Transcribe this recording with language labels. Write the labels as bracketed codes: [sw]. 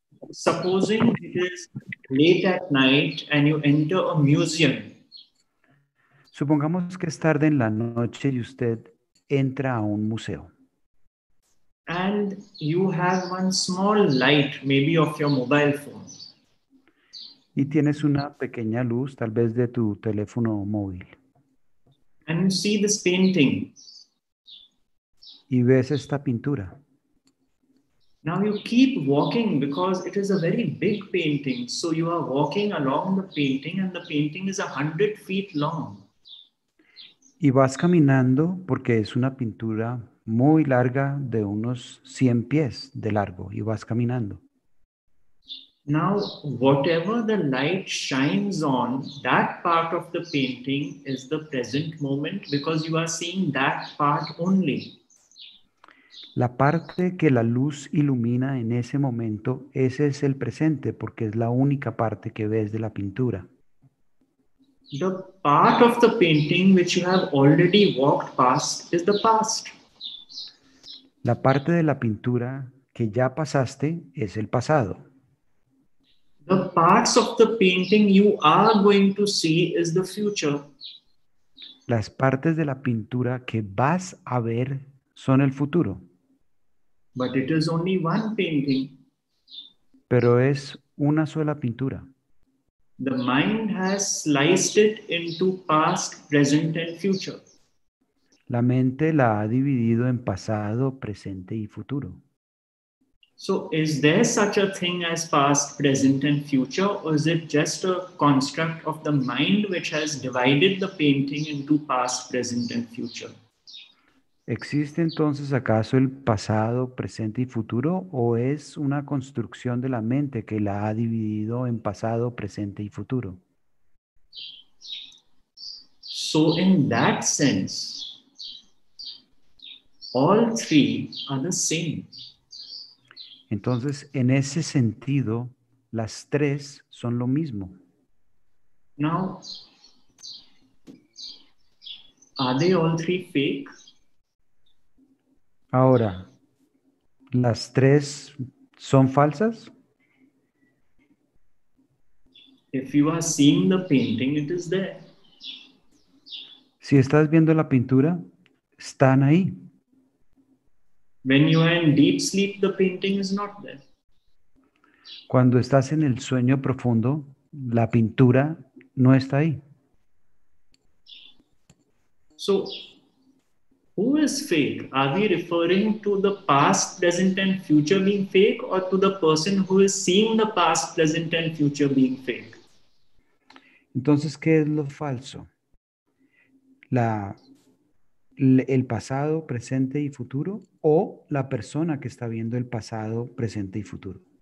[en] Supposing it is late at night and you enter a museum. [es] Supongamos que es tarde en la noche y usted entra a un museo. [en] And you have one small light, maybe of your mobile phone. [es] Y tienes una pequeña luz, tal vez de tu teléfono móvil. [en] And you see this painting. [es] Y ves esta pintura. [en] Now you keep walking because it is a very big painting. So you are walking along the painting and the painting is 100 feet long. [es] Y vas caminando porque es una pintura muy larga de unos 100 pies de largo. Y vas caminando. [en] Now, whatever the light shines on, that part of the painting is the present moment because you are seeing that part only. [es] La parte que la luz ilumina en ese momento, ese es el presente porque es la única parte que ves de la pintura. [en] The part of the painting which you have already walked past is the past. [es] La parte de la pintura que ya pasaste es el pasado. [en] The parts of the painting you are going to see is the future. [es] Las partes de la pintura que vas a ver son el futuro. [en] But it is only one painting. [es] Pero es una sola pintura. [en] The mind has sliced it into past, present and future. [es] La mente la ha dividido en pasado, presente y futuro. [en] So is there such a thing as past, present and future, or is it just a construct of the mind which has divided the painting into past, present and future? [es] ¿Existe entonces acaso el pasado, presente y futuro, o es una construcción de la mente que la ha dividido en pasado, presente y futuro? [en] So in that sense, all three are the same. [es] Entonces, en ese sentido, las tres son lo mismo. [en] Now, are they all three fake? [es] Ahora, ¿las tres son falsas? [en] If you are seeing the painting, it is there. [es] Si estás viendo la pintura, están ahí. [en] When you are in deep sleep, the painting is not there. [es] Cuando estás en el sueño profundo, la pintura no está ahí. [en] So, who is fake? Are we referring to the past, present and future being fake or to the person who is seeing the past, present and future being fake? [es] Entonces, ¿qué es lo falso? El pasado, presente y futuro o la persona que está viendo el pasado, presente y futuro.